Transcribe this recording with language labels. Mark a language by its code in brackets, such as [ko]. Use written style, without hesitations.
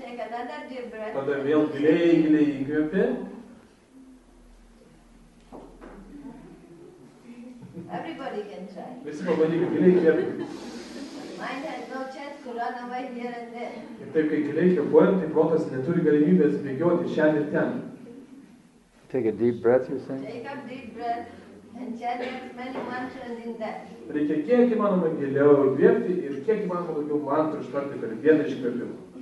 [lt] Tada vėl giliai, giliai įkvėpė. [en] Everybody can try. [lt] Visi pabandyk, giliai įkvėpė. [en] Mind has no chance to run away here and there. [lt] Ir taip, kai giliai įkvėpuojam, tai protas neturi galimybės bėgioti šiandien ir ten. [en] Take a deep breath, you say? Take a deep breath and chant as many mantras in that. [lt] Reikia kiek įmanoma giliau įkvėpti ir kiek įmanoma daugiau mantrų ištarti per vieną iškvėpimą.